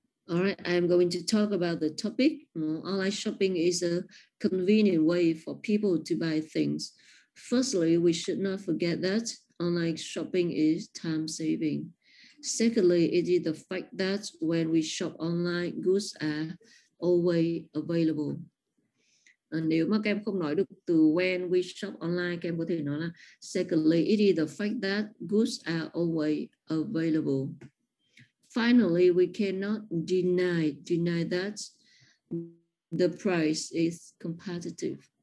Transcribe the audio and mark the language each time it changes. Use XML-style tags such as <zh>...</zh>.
<en>All right, I'm going to talk about the topic. Online shopping is a convenient way for people to buy things. Firstly, we should not forget that online shopping is time saving. Secondly, it is the fact that when we shop online, goods are always available.</en> <vi>Nếu mà các em không nói được từ</vi> <en>when we shop online,</en> <vi>các em có thể nói là</vi> <en>secondly, it is the fact that goods are always available. Finally, we cannot deny that the price is competitive.</en>